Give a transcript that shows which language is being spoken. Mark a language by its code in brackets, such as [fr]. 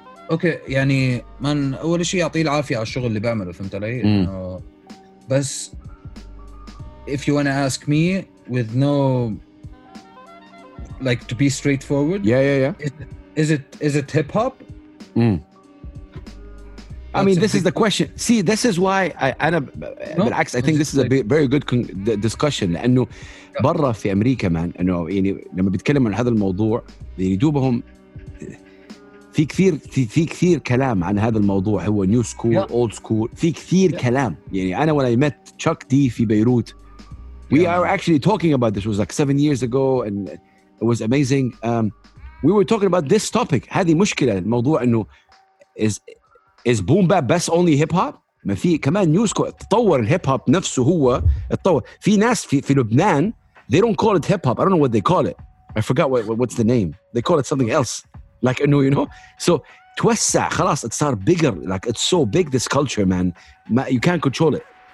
[ar] Okay, يعني من أول شيء يعطيه العافية على الشغل اللي بعمله, فهمت علي؟ بس [en] if you wanna ask me with no like to be straightforward. Yeah. Is it hip hop? I mean, this is the question. See, this is why I think this is a very good discussion. [ar] لأنه برا في أمريكا, man, إنه يعني لما بيتكلموا عن هذا الموضوع, يعني دوبهم في كثير في كثير كلام عن هذا الموضوع, هو نيو سكول اولد سكول, في كثير كلام. يعني انا [en] when I met Chuck D في بيروت we are actually talking about this, it was like 7 years ago and it was amazing. We were talking about this topic. [ar] هذه مشكلة الموضوع انه [en] is boom bap best only hip hop. [ar] ما في كمان نيو سكول, تطور الهيب هوب نفسه, هو تطور. [en] في ناس في لبنان they don't call it hip hop, I don't know what they call it, I forgot what's the name, they call it something else. Like, you know, so [ar] توسع خلاص, [en] it's not bigger, like it's so big, this culture, man, you can't control it.